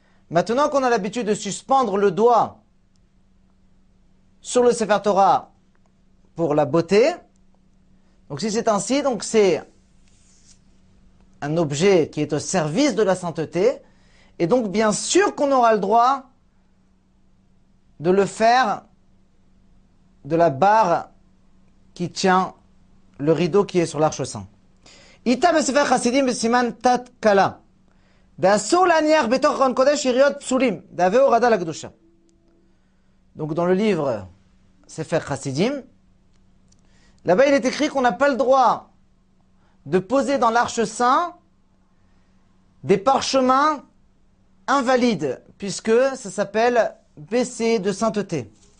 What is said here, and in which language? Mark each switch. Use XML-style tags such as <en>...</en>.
<fr>Maintenant qu'on a l'habitude de suspendre le doigt sur le Sefer Torah pour la beauté, donc si c'est ainsi, donc c'est un objet qui est au service de la sainteté, et donc bien sûr qu'on aura le droit de le faire de la barre qui tient le rideau qui est sur l'Arche Saint.</fr> <he>איתה בספר חסידים בסימן תת קלה. ואסור להניח בתוך ארון קודש יריות פסולים, דאבי הורדה לקדושה.</he> <fr>Donc dans le livre Sefer Chassidim, là-bas il est écrit qu'on n'a pas le droit de poser dans l'arche saint des parchemins invalides, puisque ça s'appelle BC de sainteté.</fr>